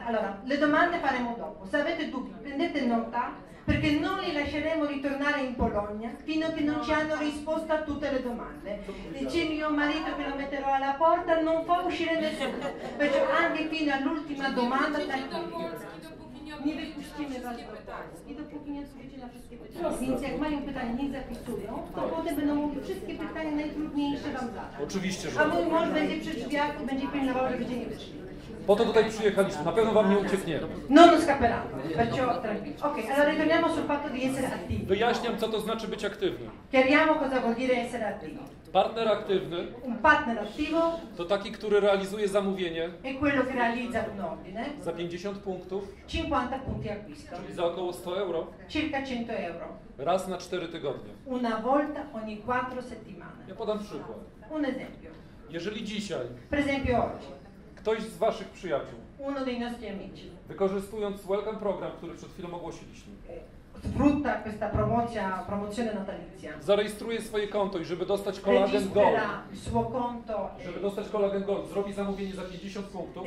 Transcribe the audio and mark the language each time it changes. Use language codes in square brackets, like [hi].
[it] Allora, le domande faremo dopo. Se avete dubbi, prendete nota, perché non li lasceremo ritornare in Polonia fino a che non ci hanno risposto a tutte le domande. Dice mio marito che lo metterò alla porta, non fa uscire nessuno. Perciò anche fino all'ultima domanda tagliamo. [pl] Nie wypuścimy was do Polski, dopóki nie odpowiecie na wszystkie pytania. Więc jak mają pytania, nie zapisują, to potem będą mogli wszystkie pytania najtrudniejsze wam zadać. Oczywiście, że. A mój mąż będzie przy drzwiach, będzie pilnował, że będzie nie wyszli. Po to tutaj przyjechaliśmy, na pewno wam nie ucieknie. [it] Non scapperato. Ok, allora ritorniamo sul fatto di essere attivi. [pl] Wyjaśniam, co to znaczy być aktywny. [it] Chiariamo cosa vuol dire essere attivo. [pl] Partner aktywny. [it] Un partner attivo. [pl] To taki, który realizuje zamówienie. [it] E quello che realizza un ordine. [pl] Za 50 punktów. [it] 50 punti acquisto. [pl] Czyli za około 100 euro. [it] Circa 100 euro. [pl] Raz na 4 tygodnie. [it] Una volta ogni 4 settimane. [pl] Ja podam przykład. [it] Un esempio. [pl] Jeżeli dzisiaj. [it] Per esempio oggi. [pl] Ktoś z waszych przyjaciół. [it] Uno dei nostri amici. [pl] Wykorzystując welcome program, który przed chwilą ogłosiliśmy. [it] Sfrutta questa promozione natalizia. [pl] Zarejestruje swoje konto i żeby dostać kolagen gold. [it] Suo conto. [pl] Żeby dostać kolagen gold, zrobi zamówienie za 50 punktów.